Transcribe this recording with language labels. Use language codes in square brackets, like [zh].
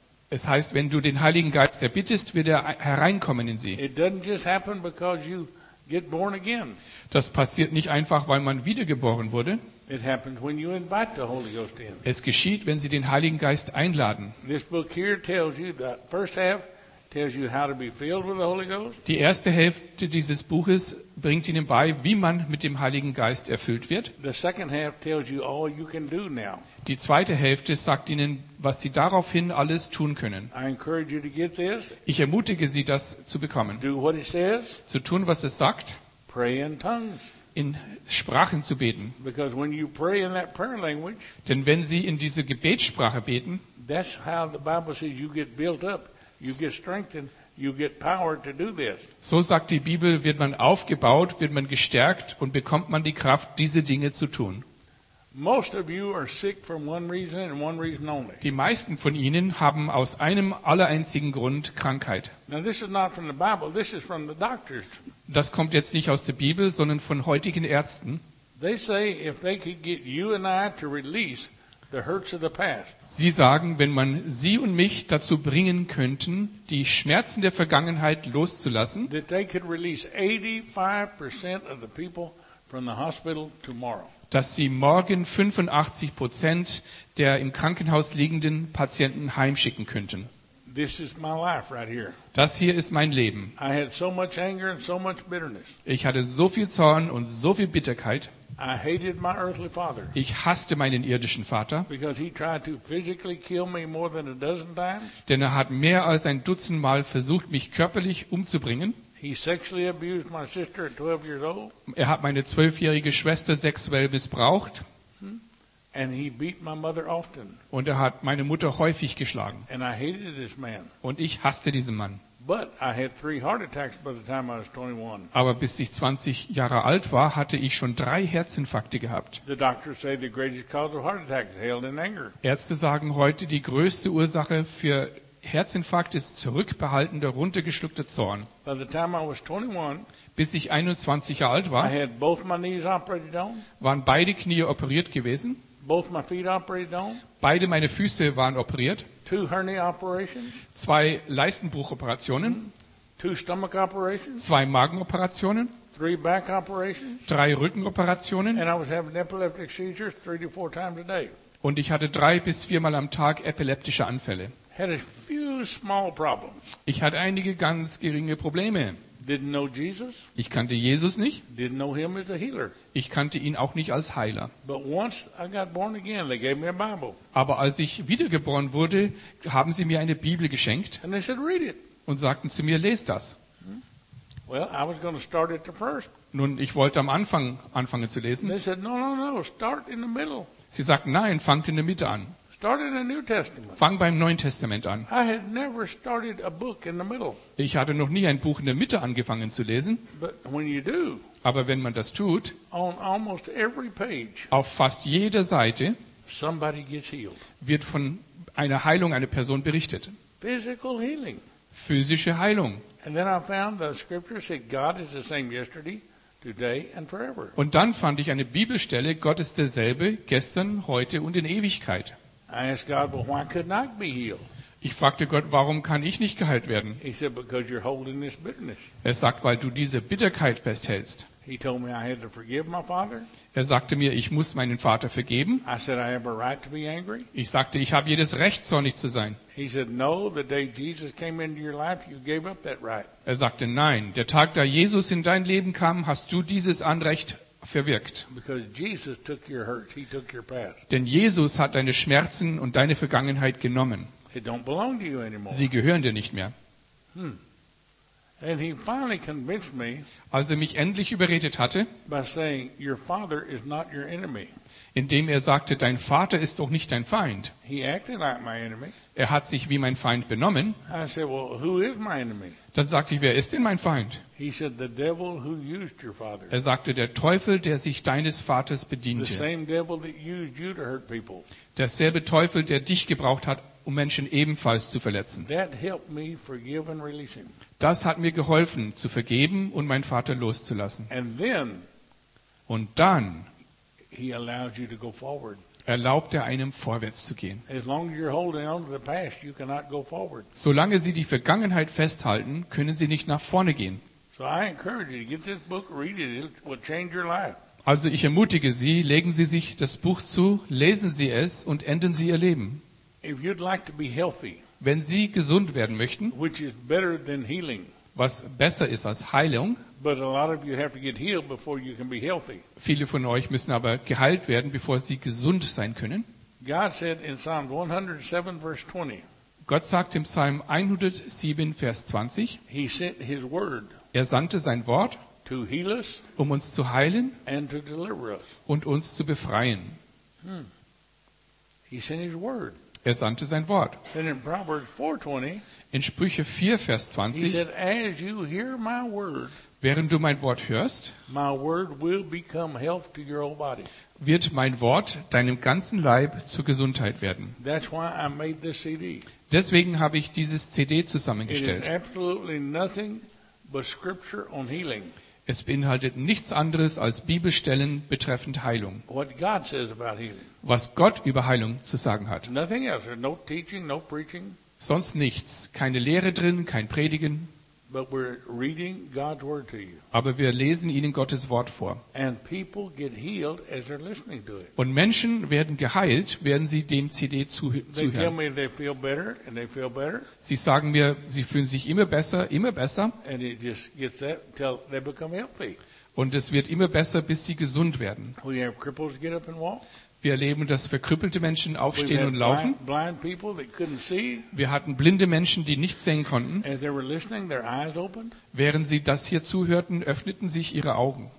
[de] Es heißt, wenn du den Heiligen Geist erbittest, wird er hereinkommen in Sie. [en] It doesn't just happen because you get born again. [de] Das passiert nicht einfach, weil man wiedergeboren wurde. [en] It happens when you invite the Holy Ghost in. [de] Es geschieht, wenn Sie den Heiligen Geist einladen. [en] This book here tells you, the first half tells you how to be filled with the Holy Ghost. [de] Die erste Hälfte dieses Buches bringt Ihnen bei, wie man mit dem Heiligen Geist erfüllt wird. [en] The second half tells you all you can do now. [de] Die zweite Hälfte sagt Ihnen, was Sie daraufhin alles tun können. [en] I encourage you to get this. [de] Ich ermutige Sie, das zu bekommen. [en] Do what it says. [de] Zu tun, was es sagt. [en] Pray in tongues. [de] In Sprachen zu beten. [en] Because when you pray in that prayer language, [de] denn wenn Sie in diese Gebetssprache beten, [en] that's how the Bible says you get built up, you get strengthened, you get power to do this. [de] So sagt die Bibel, wird man aufgebaut, wird man gestärkt und bekommt man die Kraft, diese Dinge zu tun. [en] Most of you are sick from one reason and one reason only. [de] Die meisten von Ihnen haben aus einem allereinzigen Grund Krankheit. [en] Now this is not from the Bible, this is from the doctors. [de] Das kommt jetzt nicht aus der Bibel, sondern von heutigen Ärzten. [en] They say if they could get you and I to release the hurts of the past. [de] Sie sagen, wenn man Sie und mich dazu bringen könnten, die Schmerzen der Vergangenheit loszulassen, [en] that they could release 85% of the people from the hospital tomorrow. [de] Dass Sie morgen 85% der im Krankenhaus liegenden Patienten heimschicken könnten. [en] This is my life right here. [de] Das hier ist mein Leben. [en] I had so much anger and so much bitterness. [de] Ich hatte so viel Zorn und so viel Bitterkeit. [en] I hated my earthly father. [de] Ich hasste meinen irdischen Vater. [en] Because he tried to physically kill me more than a dozen times. [de] Denn er hat mehr als ein Dutzend Mal versucht, mich körperlich umzubringen. [en] He sexually abused my sister at 12 years old. [de] Er hat meine 12-jährige Schwester sexuell missbraucht. [en] And he beat my mother often. [de] Und er hat meine Mutter häufig geschlagen. [en] And I hated this man. [de] Und ich hasste diesen Mann. [en] But I had 3 heart attacks by the time I was 21. [de] Aber bis ich 20 Jahre alt war, hatte ich schon 3 Herzinfarkte gehabt. [en] The doctors say the greatest cause of heart attacks is held in anger. [de] Ärzte sagen heute, die größte Ursache für Herzinfarkt ist zurückbehaltender, runtergeschluckter Zorn. [en] By the time I was 21, [de] bis ich 21 Jahre alt war, [en] I had both my knees operated on. [de] Waren beide Knie operiert gewesen. [en] Both my feet operated on. [de] Beide meine Füße waren operiert. [en] 2 hernia operations. [de] 2 Leistenbruchoperationen. [en] 2 stomach operations. [de] 2 Magenoperationen. [en] 3 back operations. [de] 3 Rückenoperationen. [en] And I was having epileptic seizures 3 to 4 times a day. [de] Und ich hatte 3 bis 4 Mal am Tag epileptische Anfälle. [en] Had a few small problems. [de] Ich hatte einige ganz geringe Probleme. [en] Didn't know Jesus. [de] Ich kannte Jesus nicht. [en] Didn't know him as a healer. [de] Ich kannte ihn auch nicht als Heiler. [en] But once I got born again, they gave me a Bible. [de] Aber als ich wiedergeboren wurde, haben sie mir eine Bibel geschenkt. [en] And they said, read it. [de] Und sagten zu mir, lest das. [en] Well, I was going to start at the first. [de] Nun, ich wollte am Anfang anfangen zu lesen. [en] They said, no, start in the middle. [de] Sie sagten, nein, fangt in der Mitte an. [en] Start in the New Testament. [de] Fang beim Neuen Testament an. [en] I had never started a book in the middle. [de] Ich hatte noch nie ein Buch in der Mitte angefangen zu lesen. [en] But when you do, [de] aber wenn man das tut, [en] on almost every page, [de] auf fast jeder Seite, [en] somebody gets healed. [de] Wird von einer Heilung einer Person berichtet. [en] Physical healing. [de] Physische Heilung. [en] And then I found the scripture said God is the same yesterday, today and forever. [de] Und dann fand ich eine Bibelstelle, Gott ist derselbe, gestern, heute und in Ewigkeit. [en] I asked God, well, why couldn't I be healed? [de] Ich fragte Gott, warum kann ich nicht geheilt werden? [en] He said, because you're holding this bitterness. [de] Er sagt, weil du diese Bitterkeit festhältst. [en] He told me I had to forgive my father. [de] Er sagte mir, ich muss meinen Vater vergeben. [en] I said, I have a right to be angry. [de] Ich sagte, ich habe jedes Recht, zornig zu sein. [en] He said, no, the day Jesus came into your life, you gave up that right. [de] Er sagte, nein, der Tag, da Jesus in dein Leben kam, hast du dieses Anrecht verwirkt. [en] Because Jesus took your hurt, he took your past. [de] Denn Jesus hat deine Schmerzen und deine Vergangenheit genommen. [en] It don't belong to you anymore. [de] Sie gehören dir nicht mehr. [en] Hm. And he finally convinced me, [de] als er mich endlich überredet hatte, [en] by saying, your father is not your enemy. [de] Indem er sagte, dein Vater ist doch nicht dein Feind. [en] He acted like my enemy. [de] Er hat sich wie mein Feind benommen. [en] I said, well, who is my enemy? [de] Dann sagte ich, wer ist denn mein Feind? [en] He said, the devil who used your father. [de] Er sagte, der Teufel, der sich deines Vaters bediente. [en] The same devil that used you to hurt people. [de] Derselbe Teufel, der dich gebraucht hat, um Menschen ebenfalls zu verletzen. [en] That helped me forgive and release him. [de] Das hat mir geholfen, zu vergeben und meinen Vater loszulassen. [en] And then, [de] und dann [en] he allowed you to go forward. [de] Erlaubt er einem, vorwärts zu gehen. [en] As long as you're holding on to the past, you cannot go forward. [de] Solange sie die Vergangenheit festhalten, können sie nicht nach vorne gehen. [en] So I encourage you to get this book, read it, it will change your life. [de] Also ich ermutige Sie, legen Sie sich das Buch zu, lesen Sie es und ändern Sie Ihr Leben. [en] If you'd like to be healthy, [de] wenn Sie gesund werden möchten, [en] which is better than healing, [de] was besser ist als Heilung, [en] but a lot of you have to get healed before you can be healthy. [de] Viele von euch müssen aber geheilt werden, bevor sie gesund sein können. [en] God said in Psalm 107, verse 20, [de] Gott sagt im Psalm 107, Vers 20, [en] he sent his word, [de] er sandte sein Wort, [en] to heal us, [de] um uns zu heilen [en] and to deliver us. [de] Und uns zu befreien. [en] Hmm. He sent his word. [de] Er sandte sein Wort. [en] Then in Proverbs 4:20, [de] in Sprüche 4, Vers 20, [en] he said, as you hear my word, [de] während du mein Wort hörst, [en] my word will become health to your whole body. [de] Wird mein Wort deinem ganzen Leib zur Gesundheit werden. [en] That's why I made this CD. [de] Deswegen habe ich dieses CD zusammengestellt. [en] It is absolutely nothing but scripture on healing. [de] Es beinhaltet nichts anderes als Bibelstellen betreffend Heilung. [en] What God says about healing. [de] Was Gott über Heilung zu sagen hat. [en] Nothing else. No teaching, no preaching. [de] Sonst nichts. Keine Lehre drin, kein Predigen. [en] But we're reading God's word to you. [de] Aber wir lesen ihnen Gottes Wort vor. [en] And people get healed as they're listening to it. [de] Und Menschen werden geheilt, werden sie dem CD zuhören. [en] They tell me they feel better and they feel better. [de] Sie sagen mir, sie fühlen sich immer besser, immer besser. [en] And it just gets that till they become healthy. [de] Und es wird immer besser, bis sie gesund werden. [en] We have cripples get up and walk. [de] Wir erleben, dass verkrüppelte Menschen aufstehen und laufen. [en] Blind people that couldn't see. [de] Wir hatten blinde Menschen, die nichts sehen konnten. [en] As they were listening, their eyes opened. [de] Während sie das hier zuhörten, öffneten sich ihre Augen.